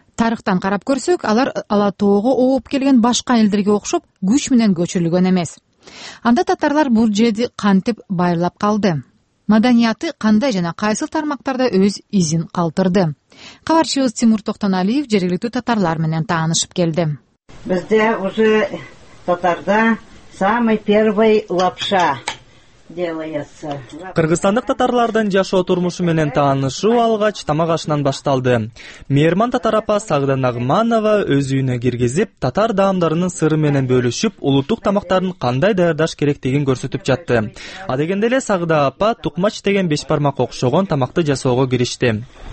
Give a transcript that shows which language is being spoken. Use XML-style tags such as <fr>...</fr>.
<ky>Тарыхтан карап көрсөк, алар Ала тоого ооп келген башка элдерге окшоп, күч менен көчүрүлгөн эмес. Анда татарлар бул жерди кантип байырлап калды? Маданияты кандай жана кайсыл тармактарда өз изин калтырды? Кабарчыбыз Тимур Токтоналиев жергиликтүү татарлар менен таанышып келди.</ky> <ru>Бизде уже татарда самый первый лапша делается.</ru> <ky>Кыргызстандык татарлардын жашоо турмушу менен таанышуу алгач тамак ашынан башталды. Мейрман татар апа Сагда Нагманова өз үйүнө киргизип, татар даамдарынын сыры менен бөлүшүп, улуттук тамактарын кандай даярдаш керектигин көрсөтүп жатты. Адегенде эле Сагда апа тукмач деген беш бармак окшогон тамакты жасоого киришти.</ky>